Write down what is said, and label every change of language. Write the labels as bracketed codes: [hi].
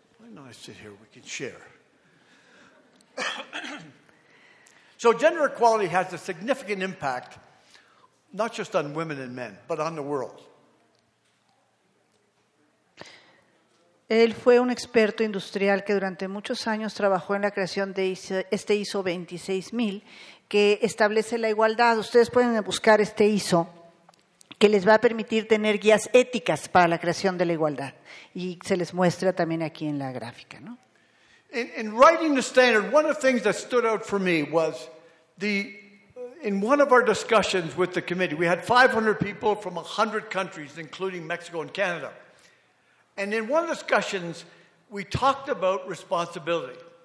[en] No, I sit here, we can share. So gender equality has a significant impact, not just on women and men, but on the world. [es] Él fue un experto industrial que durante muchos años trabajó en la creación de este ISO 26000, que establece la igualdad. Ustedes pueden buscar este ISO, que les va a permitir tener guías éticas para la creación de la igualdad. Y se les muestra también aquí en la gráfica, ¿no? [en] In writing the standard, one of the things that stood out for me was in one of our discussions with the committee, we had 500 people from 100 countries, including Mexico and Canada. And in one of the discussions, we talked about responsibility.